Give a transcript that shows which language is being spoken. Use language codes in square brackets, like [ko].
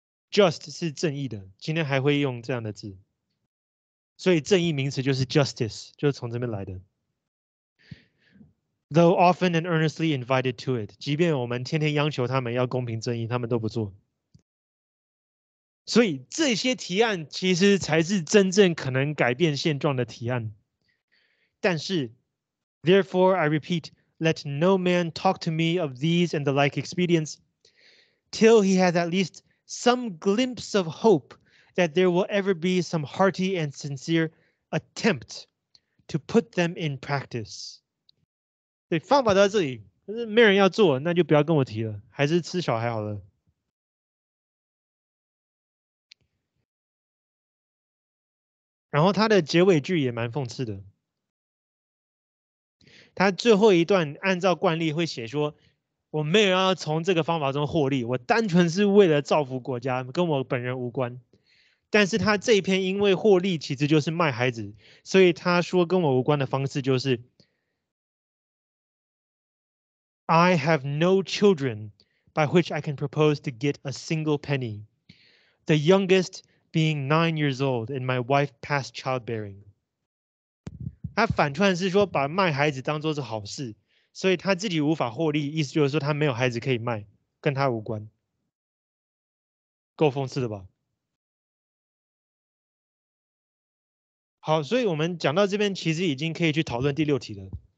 [zh] Just 是正义的，今天还会用这样的字，所以正义名词就是 justice， 就是从这边来的。 [en] Though often and earnestly invited to it， [zh] 即便我们天天央求他们要公平正义，他们都不做。所以这些提案其实才是真正可能改变现状的提案。但是 [en] ，Therefore I repeat， let no man talk to me of these and the like expedients till he has at least some glimpse of hope that there will ever be some hearty and sincere attempt to put them in practice。 [zh] 对，方法都在这里，可是没人要做，那就不要跟我提了，还是吃小孩好了。然后他的结尾句也蛮讽刺的，他最后一段按照惯例会写说，我没有要从这个方法中获利，我单纯是为了造福国家，跟我本人无关。但是他这一篇因为获利其实就是卖孩子，所以他说跟我无关的方式就是 [en] I have no children, by which I can propose to get a single penny, the youngest being 9 years old and my wife past childbearing. [zh] 他反串是说把卖孩子当作是好事，所以他自己无法获利，意思就是说他没有孩子可以卖，跟他无关。够讽刺的吧？好，所以我们讲到这边，其实已经可以去讨论第六题了。